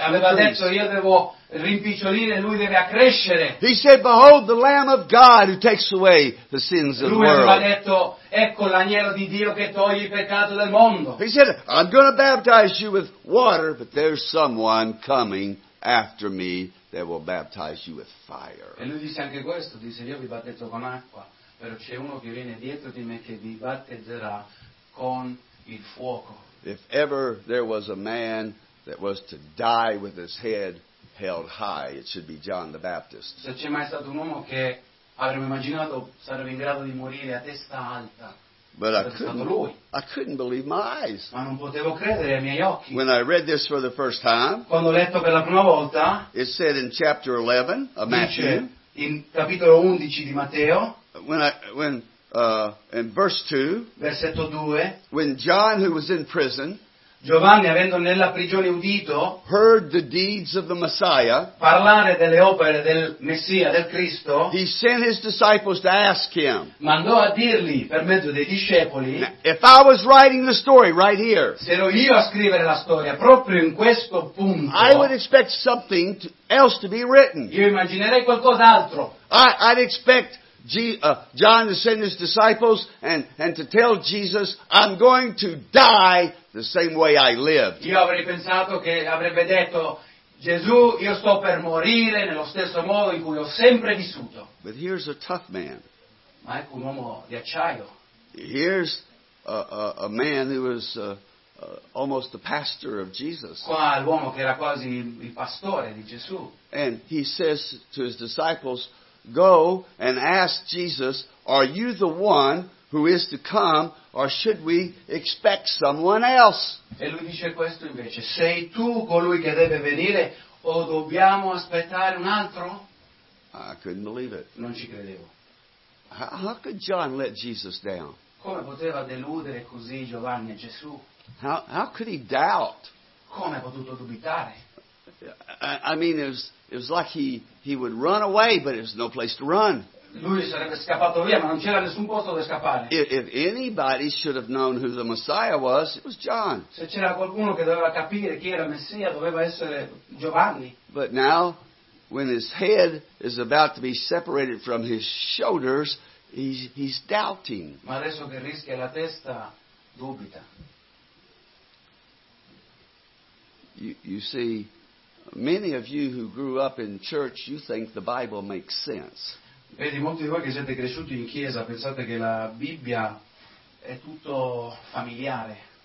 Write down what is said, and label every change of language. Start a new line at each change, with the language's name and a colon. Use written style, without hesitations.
Italian: Aveva detto, io devo rimpicciolire, lui deve accrescere.
English: He said, behold the Lamb of God who takes away the sins of the world.
Italian: Lui aveva detto, ecco l'agnello di Dio che toglie il peccato del mondo.
English: He said, I'm going to baptize you with water, but there's someone coming after me that will baptize you with fire.
Italian: E lui disse anche questo, disse, io vi battezzo con acqua, però c'è uno che viene dietro di me che vi battezzerà con il fuoco.
English: If ever there was a man that was to die with his head held high, it should be John the Baptist.
Italian: Se c'è mai stato un uomo che avremmo immaginato sarebbe in grado di morire a testa alta,
English: but I couldn't believe my eyes.
Italian: Ma non potevo credere ai miei occhi.
English: When I read this for the first time,
Italian: quando ho letto per la prima volta,
English: it said in chapter 11 of Matthew,
Italian: in capitolo 11 di Matteo,
English: in verse 2,
Italian: versetto 2,
English: when John, who was in prison,
Italian: Giovanni, avendo nella prigione udito,
English: heard the deeds of the Messiah,
Italian: parlare delle opere del Messia, del Cristo,
English: he sent his disciples to ask him,
Italian: mandò a dirgli per mezzo dei discepoli,
English: now, if I was writing the story right here,
Italian: se ero io a scrivere la storia proprio in questo punto,
English: I would expect something else to be written.
Italian: Io immaginerei qualcos'altro.
English: I'd expect John to send his disciples and to tell Jesus, I'm going to die the same way I lived.
Italian: Io avrei pensato che avrebbe detto, Gesù, io sto per morire nello stesso modo in cui ho sempre vissuto.
English: But here's a tough man.
Italian: Ma ecco un uomo di acciaio.
English: Here's a man who was almost the pastor of Jesus.
Italian: Qua l'uomo che era quasi il pastore di Gesù.
English: And he says to his disciples, go and ask Jesus, are you the one who is to come, or should we expect someone else?
Italian: E lui dice questo invece, sei tu colui che deve venire, o dobbiamo aspettare un altro?
English: I couldn't believe it.
Italian: Non ci credevo.
English: How could John let Jesus down?
Italian: Come poteva deludere così Giovanni e Gesù?
English: How could he doubt?
Italian: Come ha potuto dubitare?
English: I mean, it was like he would run away, but there's no place to run.
Italian: Lui sarebbe scappato via, ma non c'era nessun posto dove scappare.
English: If anybody should have known who the Messiah was, it was John.
Italian: Se c'era qualcuno che doveva capire chi era il Messia, doveva essere Giovanni.
English: But now, when his head is about to be separated from his shoulders, he's doubting.
Italian: Ma adesso che rischia la testa, dubita.
English: You see, many of you who grew up in church, you think the Bible makes sense.
Italian: Vedi, molti di voi che siete cresciuti in chiesa pensate che la Bibbia è tutto familiare.